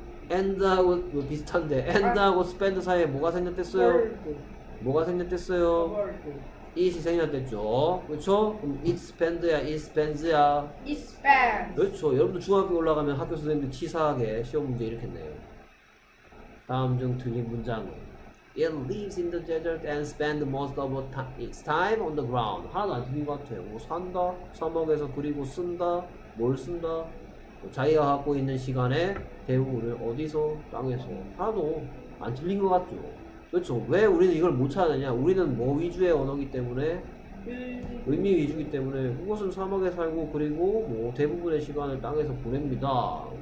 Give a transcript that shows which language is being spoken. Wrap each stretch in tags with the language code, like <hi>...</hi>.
<ko>엔드하고 뭐 비슷한데 엔드하고 스펜드 사이에 뭐가 생략됐어요?</ko> <en>World.</en> <ko>뭐가 생략됐어요? It이 생략됐죠. 그렇죠? 그럼 it spend야, it spends야.</ko> <en>It spends.</en> <ko>그렇죠. 여러분들 중학교 올라가면 학교 선생님들 치사하게 시험 문제 이렇게 내요. 다음 중 틀린 문장은</ko> <en>It lives in the desert and spends most of its time on the ground.</en> <ko>하나도 안 틀린 것 같아요. 뭐 산다, 사막에서 그리고 쓴다, 뭘 쓴다. 뭐 자기가 갖고 있는 시간에 대부분을 어디서 땅에서 하나도 안 틀린 것 같죠. 그렇죠. 왜 우리는 이걸 못 찾느냐? 우리는 뭐 위주의 언어이기 때문에 의미 위주이기 때문에 그것은 사막에 살고 그리고 뭐 대부분의 시간을 땅에서 보냅니다.</ko>